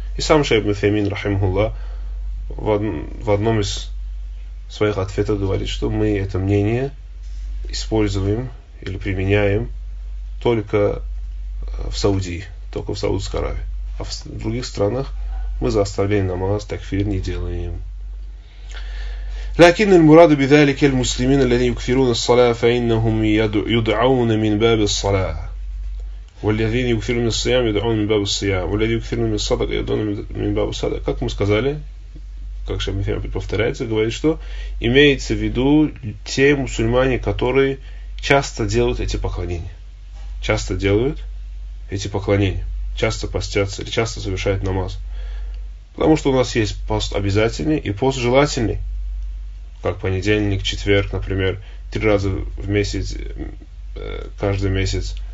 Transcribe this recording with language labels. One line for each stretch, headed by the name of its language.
Russian: И сам Шейб Мусаймин Рахимулла в одном из своих ответов говорит, что мы это мнение используем или применяем только в Саудии, только в Саудовской Аравии. А в других странах мы за оставление намаз такфир не делаем.
Arabic: لكن المراد بذلك المسلمين الذين يكفرون الصلاة فإنهم يدعون من باب الصلاة والذين يكفرون من الصيام يدعون من باب الصيام والذين يكفرون من الصدقة يدعون من باب الصدقة.
Russian: Как мы сказали, как Шамильфем повторяется, говорит, что имеется в виду те мусульмане, которые часто делают эти поклонения. Часто делают эти поклонения. Часто постятся или часто совершают намаз. Потому что у нас есть пост обязательный и пост желательный. Как понедельник, четверг, например, 3 раза в месяц, каждый месяц.